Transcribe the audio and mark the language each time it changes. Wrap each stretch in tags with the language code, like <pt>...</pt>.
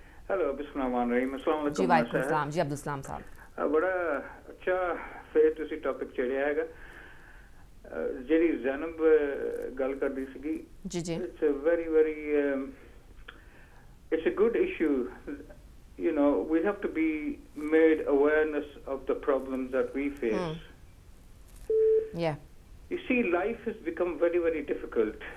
<ar>ہیلو, بسم اللہ الرحمن الرحیم. السلام علیکم.</ar> <pa>جی وعلیکم السلام. جی عبد السلام صاحب, بڑا اچھا فیر تسی ٹاپک چڑھیا ہے گا. جیڑی زینب گل کر دی سی, جی جی,</pa> <en>It's a very very it's a good issue. You know we have to be made awareness of the problems that we face. Yeah. You see, life has become very, very difficult.</en>